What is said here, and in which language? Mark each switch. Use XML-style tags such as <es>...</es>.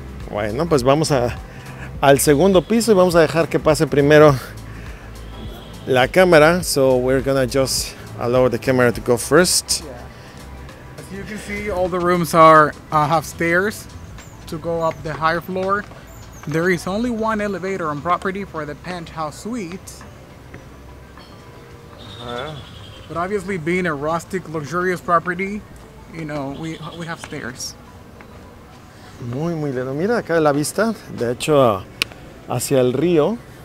<es>Bueno, pues vamos al segundo piso y vamos a dejar que pase primero la cámara.</es> <en>So we're gonna just allow the camera to go first. Yeah. As you can see, all the rooms have stairs to go up the higher floor. There is only one elevator on property for the penthouse suite. But obviously, being a rustic, luxurious property, you know, we have stairs.</en> <es>Muy, muy lindo. Mira acá la vista, de hecho, hacia el río.</es>